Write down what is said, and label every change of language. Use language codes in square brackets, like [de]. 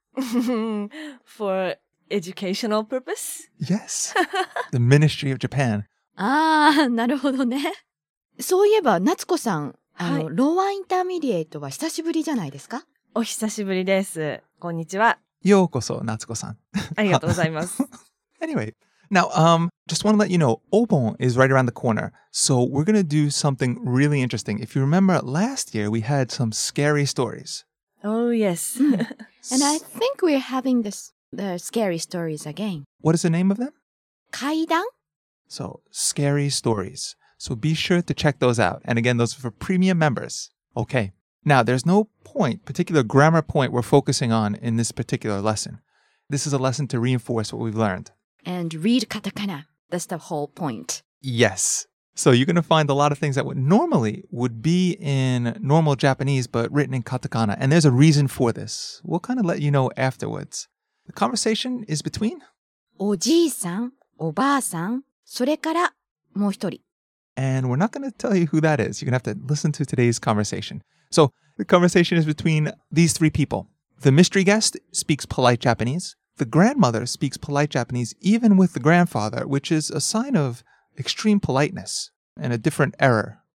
[en] For educational purpose? Yes. The Ministry of Japan。 [ja] ああ、なるほどね。そういえば夏子さん、はい、ロアインターミディエイトは久しぶりじゃないですか？お久しぶりです。こんにちは。ようこそ夏子さん。ありがとうございます。 [en] Anyway, now just want to let you know, Obon is right around the corner, so we're gonna do something really interesting. If you remember last year, we had some scary stories. Oh yes. And I think we're having the scary stories again. What is the name of them? [ja] 階段。 [en] So, scary stories. So be sure to check those out. And again, those are for premium members. Okay. Now, there's no point, particular grammar point we're focusing on in this particular lesson. This is a lesson to reinforce what we've learned. And read katakana. That's the whole point. Yes. So you're going to find a lot of things that would normally be in normal Japanese, but written in katakana. And there's a reason for this. We'll kind of let you know afterwards. The conversation is between... [ja] おじいさん、おばあさん、それからもう一人。 [en] And we're not going to tell you who that is. You're going to have to listen to today's conversation. So, the conversation is between these three people. The mystery guest speaks polite Japanese. The grandmother speaks polite Japanese even with the grandfather, which is a sign of extreme politeness and a different era.